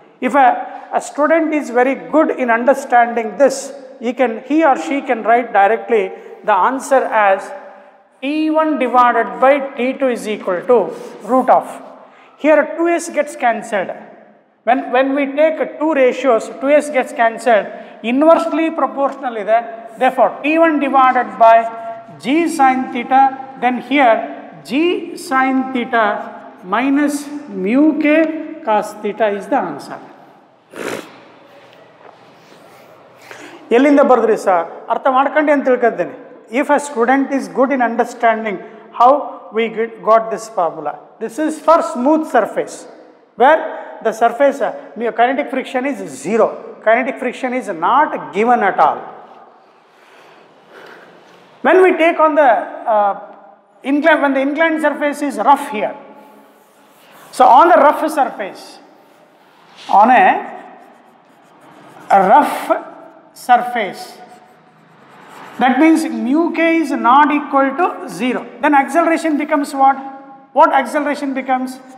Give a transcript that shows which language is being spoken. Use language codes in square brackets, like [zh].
[en] If a student is very good in understanding this, he or she can write directly the answer as T1 divided by T2 is equal to root of. Here 2s gets cancelled. When we take two ratios, 2s gets cancelled, [kn] inversely proportional ಇದೆ. [en] Therefore T1 divided by g sine theta, then here g sin theta minus mu k cos theta is the answer. [kn] ಎಲ್ಲಿಂದ ಬರೆದ್ರಿ sir, ಅರ್ಥ ಮಾಡ್ಕೊಂಡು ಅಂತ ತಿಳ್ಕೊತೀನಿ. [en] If a student is good in understanding how we got this formula, this is for smooth surface, where the surface kinetic friction is zero, kinetic friction is not given at all. When we take on the incline, when the inclined surface is rough here, so on the rough surface, on a rough surface, that means mu k is not equal to zero, then acceleration becomes what acceleration becomes?